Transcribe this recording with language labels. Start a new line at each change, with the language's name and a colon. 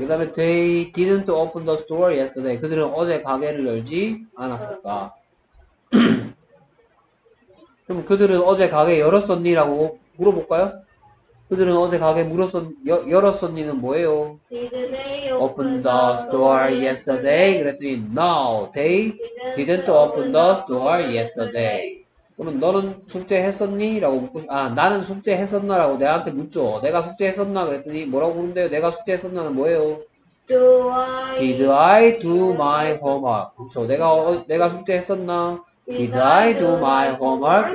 Korean: 그 다음에
English: they didn't open the store yesterday.
Korean: 그들은 어제 가게를 열지 않았었다. 그럼 그들은 어제 가게 열었었니? 라고 물어볼까요? 그들은 어제 가게 열었었니는 뭐예요?
English: Opened the store yesterday. 그랬더니 no, they didn't open the store yesterday.
Korean: 그러면 너는 숙제했었니? 라고 묻고 아 나는 숙제했었나? 라고 내한테 묻죠. 내가 숙제했었나? 그랬더니 뭐라고 묻는데요? 내가 숙제했었나는 뭐예요?
English: Did I do my homework?
Korean: 그렇죠. 내가 숙제했었나?
English: Did I do my homework?